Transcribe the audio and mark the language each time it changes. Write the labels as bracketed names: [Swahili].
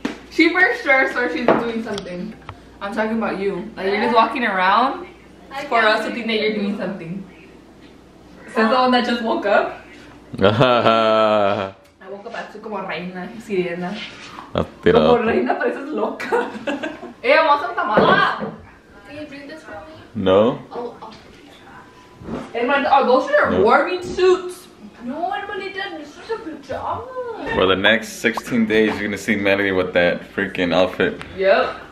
[English] She for sure starts doing something. I'm talking about you. Like, yeah. You're just walking around for us to think that you're doing something. Since the one that just woke up. I woke up [Spanish] así como reina, sirena. A tirado. Como reina, pareces loca. [English] Hey, I want some tamales. Can you bring this for me? No. Are those your warming suits? [Spanish] No, hermanita, [English] this is a pajama. For the next 16 days, you're gonna see Melody with that freaking outfit. Yep.